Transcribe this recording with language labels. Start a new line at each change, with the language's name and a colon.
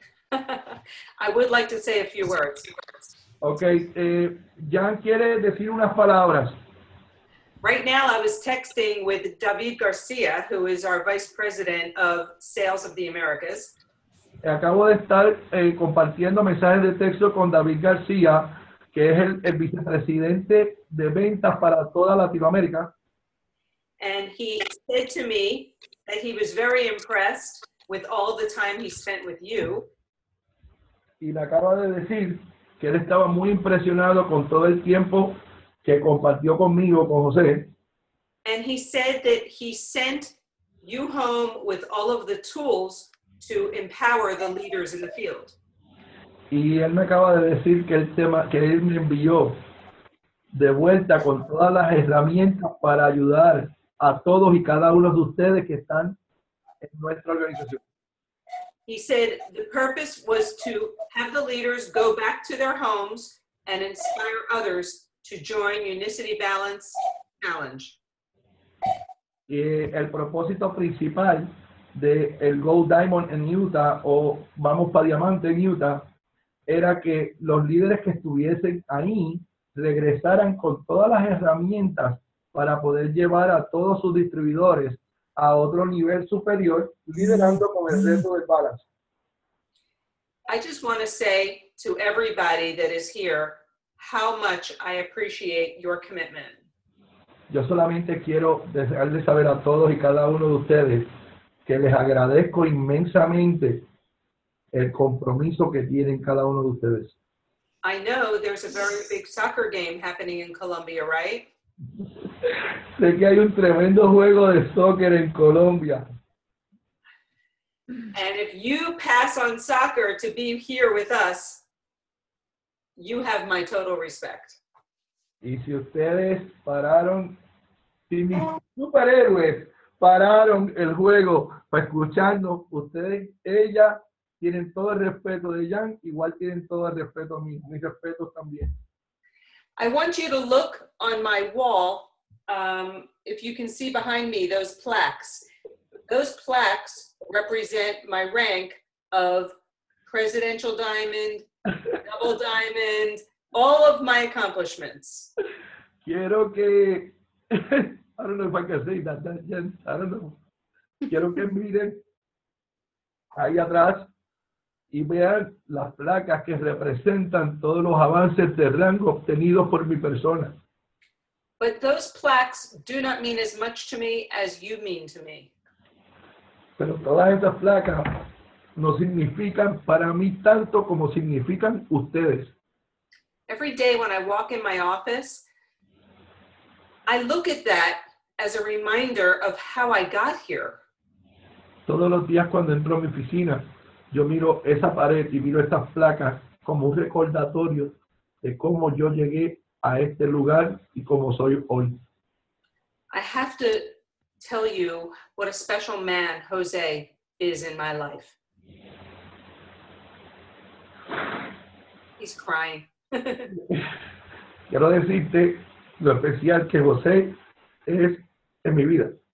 English: I would like to say a few words.
Spanish: Okay, Jan quiere decir unas palabras.
English: Right now I was texting with David Garcia, who is our Vice President of Sales of the Americas.
Spanish: Acabo de estar compartiendo mensajes de texto con David García, que es el vicepresidente de ventas para toda Latinoamérica.
English: And he said to me that he was very impressed with all the time he spent with you.
Spanish: Y le acabo de decir que él estaba muy impresionado con todo el tiempo que compartió conmigo, con José.
English: And he said that he sent you home with all of the tools to empower the leaders in the field.
Spanish: Y él me acaba de decir que el tema que él me envió de vuelta con todas las herramientas para ayudar a todos y cada uno de ustedes que están en nuestra organización.
English: He said the purpose was to have the leaders go back to their homes and inspire others to join Unicity Balance Challenge.
Spanish: Y el propósito principal de el Gold Diamond en Utah, o vamos para Diamante en Utah, era que los líderes que estuviesen ahí regresaran con todas las herramientas para poder llevar a todos sus distribuidores a otro nivel superior, liderando con el reto del balance.
English: I just want to say to everybody that is here how much I appreciate your commitment.
Spanish: Yo solamente quiero desearles saber a todos y cada uno de ustedes que les agradezco inmensamente el compromiso que tienen cada uno de ustedes.
English: I know there's a very big soccer game happening in Colombia, right?
Spanish: Sé que hay un tremendo juego de soccer en Colombia.
English: And if you pass on soccer to be here with us, you have my total respect.
Spanish: Y si ustedes pararon, si mis superhéroes pararon el juego para escucharnos. Ustedes, ella, tienen todo el respeto de Jan, igual tienen todo el respeto a mí, mis respetos también.
English: I want you to look on my wall, if you can see behind me, those plaques. Those plaques represent my rank of presidential diamond, double diamond, all of my accomplishments.
Spanish: Quiero que,
English: I don't know if I can say that, that Jen, I don't know.
Spanish: Quiero que miren ahí atrás y vean las placas que representan todos los avances de rango obtenidos por mi persona.
English: But those plaques do not mean as much to me as you mean to me.
Spanish: Pero todas estas placas no significan para mí tanto como significan ustedes.
English: Every day when I walk in my office, I look at that as a reminder of how I got here.
Spanish: Todos los días cuando entro a mi oficina, yo miro esa pared y miro estas placas como un recordatorio de cómo yo llegué a este lugar y cómo soy hoy.
English: I have to tell you what a special man Jose is in my life. He's crying.
Spanish: Quiero decirte lo especial que José es en mi vida.